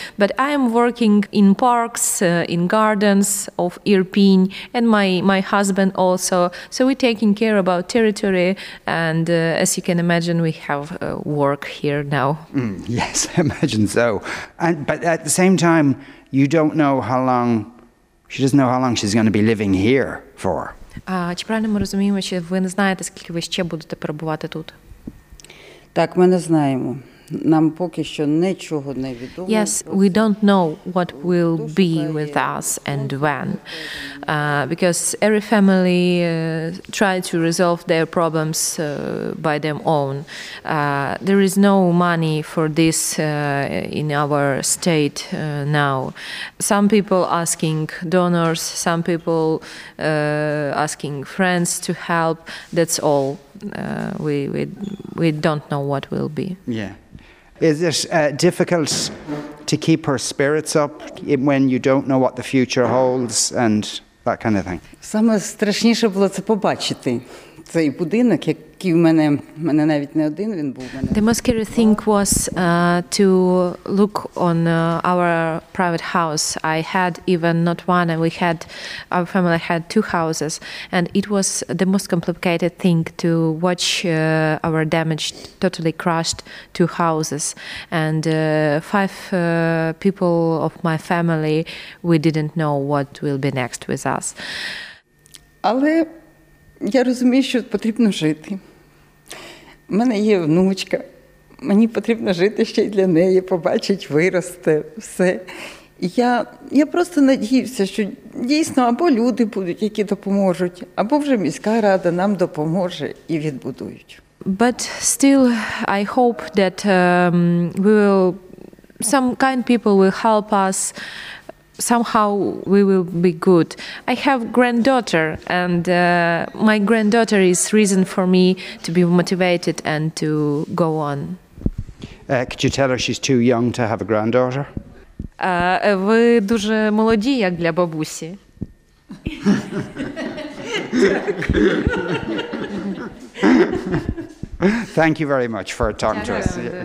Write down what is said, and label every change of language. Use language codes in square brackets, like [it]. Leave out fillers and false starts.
[en] But I am working in parks, in gardens of Irpin, and my husband also. So we're taking care about territory. And as you can imagine, we have work here now. Yes, I imagine so. But at the same time, you don't know how long, she doesn't know how long she's going to be living here for. [uk] Чи правильно ми розуміємо, що ви не знаєте, скільки ви ще будете перебувати тут? Так, ми не знаємо. Нам поки що нічого не відомо. [en] Yes, we don't know what will be with us and when. Because every family try to resolve their problems by their own. There is no money for this in our state now. Some people asking donors, some people asking friends to help. That's all. We don't know what will be. Yeah. Is it difficult to keep her spirits up when you don't know what the future holds and that kind of thing? [uk] Саме страшніше було це побачити цей будинок, який в мене навіть не один, він був в мене. [en] The most scary thing was to look on our private house. I had even not one, and our family had two houses, and it was the most complicated thing to watch our damaged, totally crushed two houses, and five people of my family, we didn't know what will be next with us. [uk] Але я розумію, що потрібно жити. У мене є внучка. Мені потрібно жити ще й для неї, побачить, виросте, все. Я просто надіюся, що дійсно або люди будуть, які допоможуть, або вже міська рада нам допоможе і відбудують. [en] But still I hope that we will some kind people will help us. Somehow we will be good. I have granddaughter, and my granddaughter is reason for me to be motivated and to go on. Could you tell her she's too young to have a granddaughter? [uk] Ви дуже молоді, як для бабусі. [en] Thank you very much for talking to us.